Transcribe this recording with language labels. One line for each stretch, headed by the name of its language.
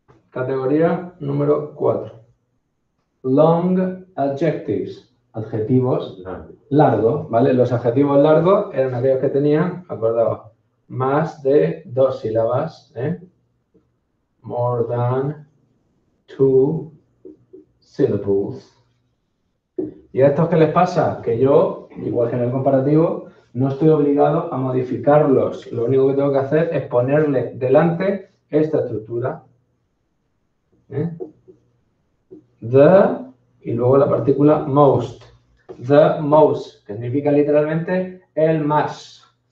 Spanish: Categoría número 4.
English: Long adjectives.
Spanish: Adjetivos largos, ¿vale? Los adjetivos largos eran aquellos que tenían, acordaos, más de dos sílabas, ¿eh?
English: More than two syllables.
Spanish: ¿Y a estos qué les pasa? Que yo, igual que en el comparativo, no estoy obligado a modificarlos. Lo único que tengo que hacer es ponerle delante esta estructura. ¿Eh? The y luego la partícula most.
English: The most,
Spanish: que significa literalmente el más.